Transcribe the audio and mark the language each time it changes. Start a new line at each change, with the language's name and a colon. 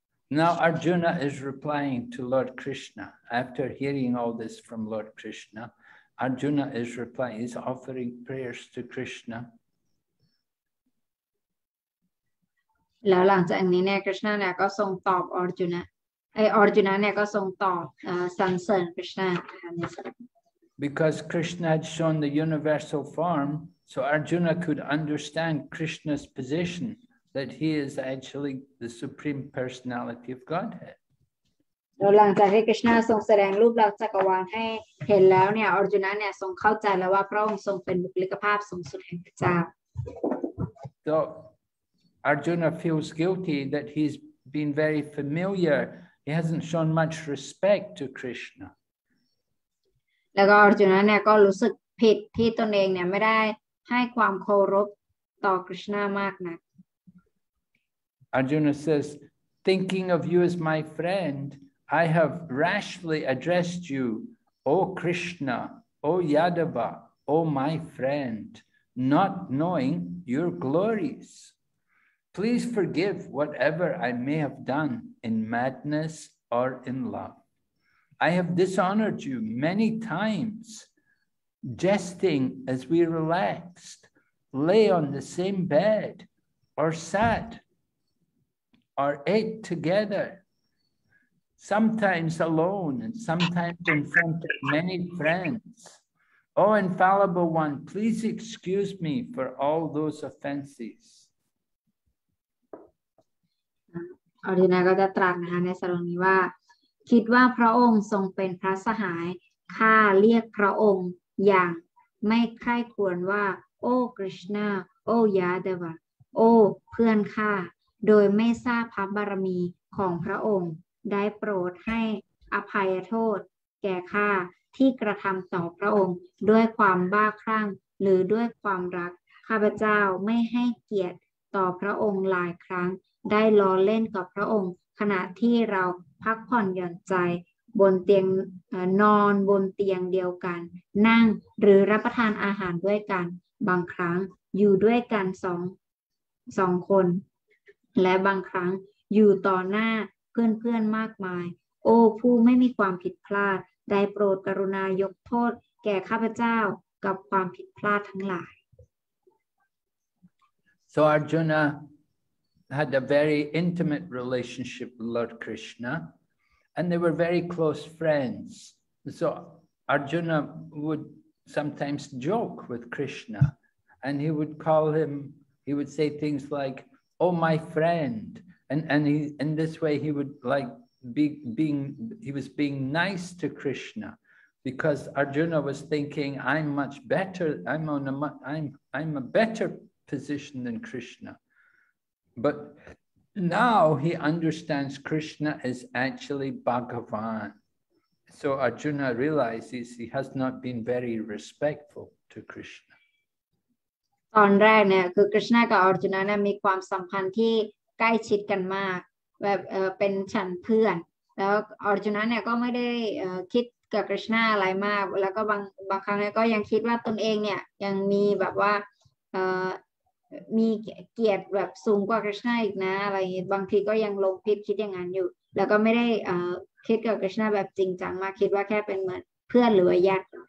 English: Now Arjuna is replying to Lord Krishna. After hearing all this from Lord Krishna, Arjuna is replying, he's offering prayers to Krishna.
Thai: แล้วหลังจากนี้เนี่ย Krishna เนี่ยก็ทรงตอบ Arjuna. ไอ้ Arjuna เนี่ยก็ทรงตอบสรรเสริญ Krishna.
English: Because Krishna had shown the universal form, so Arjuna could understand Krishna's position. That he is actually the supreme personality of Godhead.
Thai: แล้วหลังจากที่ Krishna ทรงแสดงรูปลักษณ์จักรวาลให้เห็นแล้วเนี่ย Arjuna เนี่ยทรงเข้าใจแล้วว่าพระองค์ทรงเป็นบุคลิกภาพสูงสุดแห่งพระเจ้า
English: So Arjuna feels guilty that he's been very familiar. He hasn't shown much respect to Krishna.
Thai: แล้วก็ Arjuna เนี่ยก็รู้สึกผิดที่ตนเองเนี่ยไม่ได้ให้ความเคารพต่อ Krishna มากนัก
English: Arjuna says, thinking of you as my friend, I have rashly addressed you, O Krishna, O Yadava, O my friend, not knowing your glories. Please forgive whatever I may have done in madness or in love. I have dishonored you many times, jesting as we relaxed, lay on the same bed, or sat. Or ate together, sometimes alone and sometimes in front of many friends. Oh, infallible one, please excuse me for all those offenses.
Thai: Arjuna ก็จะตรัสนะคะในสรณีว่าคิดว่าพระองค์ทรงเป็นพระสหายข้าเรียกพระองค์อย่างไม่ใคร่ควรว่าโอ้ Krishna โอ้ Yadava โอ้เพื่อนข้าโดยไม่ทราบพระบารมีของพระองค์ได้โปรดให้ อภัยโทษแก่ข้าที่กระทำต่อพระองค์ด้วยความบ้าคลั่งหรือด้วยความรักข้าพเจ้าไม่ให้เกียรติต่อพระองค์หลายครั้งได้ล้อเล่นกับพระองค์ขณะที่เราพักผ่อนหย่อนใจบนเตียง นอนบนเตียงเดียวกันนั่งหรือรับประทานอาหารด้วยกันบางครั้งอยู่ด้วยกันสองคนและบางครั้งอยู่ต่อหน้าเพื่อนๆมากมายโอ้ผู้ไม่มีความผิดพลาดได้โปรดกรุณายกโทษแก่ข้าพเจ้ากับความผิดพลาดทั้งหลาย
English: So Arjuna had a very intimate relationship with Lord Krishna and they were very close friends So Arjuna would sometimes joke with Krishna and he would call him he would say things likeOh my friend, and he, in this way he would like being nice to Krishna, because Arjuna was thinking I'm much better. I'm a better position than Krishna. But now he understands Krishna is actually Bhagavan. So Arjuna realizes he has not been very respectful to Krishna.
Thai: ตอนแรกเนี่ยคือ Krishna กับ Arjuna เนี่ยมีความสัมพันธ์ที่ใกล้ชิดกันมากแบบเป็นฉันเพื่อนแล้ว Arjuna เนี่ยก็ไม่ได้คิดกับ Krishna อะไรมากแล้วก็บางครั้งเนี่ยก็ยังคิดว่าตนเองเนี่ยยังมีแบบว่ามีเกียรติแบบสูงกว่า Krishna อีกนะอะไรบางทีก็ยังลงพิษคิดอย่างนั้นอยู่แล้วก็ไม่ได้คิดกับ Krishna แบบจริงจังมากคิดว่าแค่เป็นเหมือนเพื่อนหรือญาติ